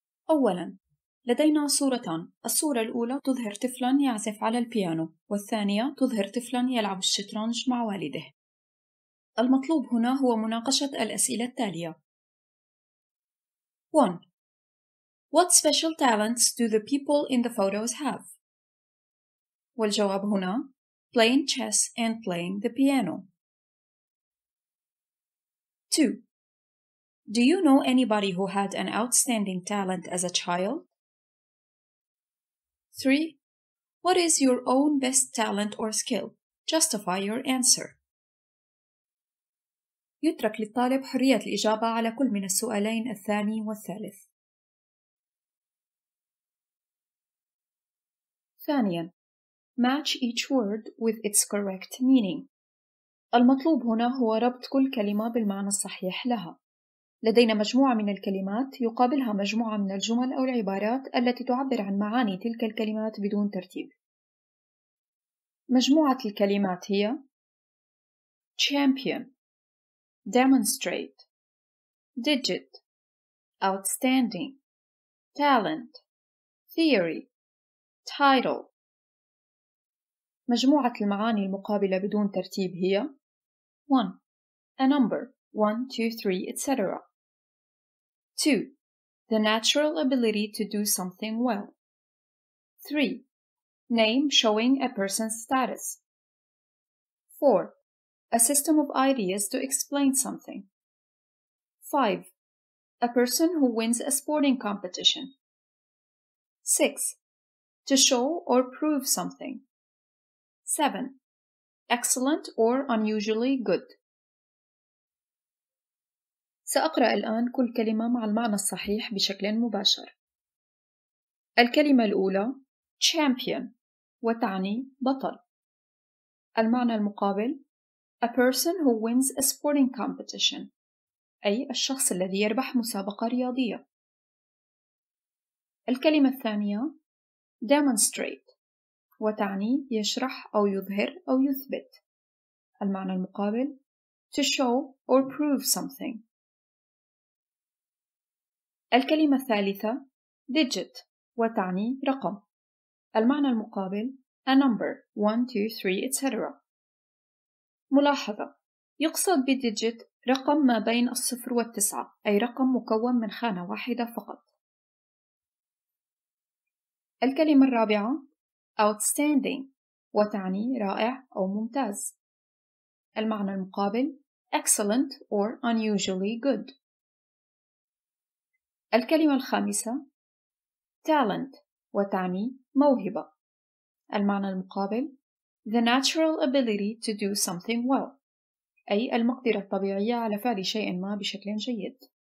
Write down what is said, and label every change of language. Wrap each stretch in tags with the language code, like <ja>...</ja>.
<ar>أولاً، لدينا صورتان، الصورة الأولى تظهر طفلاً يعزف على البيانو، والثانية تظهر طفلاً يلعب الشطرنج مع والده. المطلوب هنا هو مناقشة الأسئلة التالية. 1.</ar> <en>What special talents do the people in the photos have?</en> <ar>والجواب هنا</ar> <en>Playing chess and playing the piano. 2. Do you know anybody who had an outstanding talent as a child? 3. What is your own best talent or skill? Justify your answer.</en> <ar>يترك للطالب حرية الإجابة على كل من السؤالين الثاني والثالث. ثانياً،</ar> <en>match each word with its correct meaning.</en> <ar>المطلوب هنا هو ربط كل كلمة بالمعنى الصحيح لها. لدينا مجموعة من الكلمات يقابلها مجموعة من الجمل أو العبارات التي تعبر عن معاني تلك الكلمات بدون ترتيب. مجموعة الكلمات هي</ar> <en>champion, demonstrate, digit, outstanding, talent, theory, title.</en> <ar>مجموعة المعاني المقابلة بدون ترتيب هي 1.</ar> <en>A number 1, 2, 3, etc. 2. The natural ability to do something well. 3. Name showing a person's status. 4. A system of ideas to explain something. 5. A person who wins a sporting competition. 6. To show or prove something. 7. Excellent or unusually good.</en> <ar>سأقرأ الآن كل كلمة مع المعنى الصحيح بشكل مباشر. الكلمة الأولى champion وتعني بطل. المعنى المقابل</ar> <en>a person who wins a sporting competition</en> <ar>أي الشخص الذي يربح مسابقة رياضية. الكلمة الثانية demonstrate وتعني يشرح أو يظهر أو يثبت. المعنى المقابل</ar> <en>to show or prove something.</en> <ar>الكلمة الثالثة digit وتعني رقم. المعنى المقابل</ar> <en>a number 1, 2, 3, etc.</en> <ar>ملاحظة، يقصد بديجيت رقم ما بين الصفر والتسعة، أي رقم مكون من خانة واحدة فقط. الكلمة الرابعة outstanding وتعني رائع أو ممتاز. المعنى المقابل</ar> <en>excellent or unusually good.</en> <ar>الكلمة الخامسة talent وتعني موهبة. المعنى المقابل</ar> <en>the natural ability to do something well</en> <ar>أي المقدرة الطبيعية على فعل شيء ما بشكل جيد.</ar>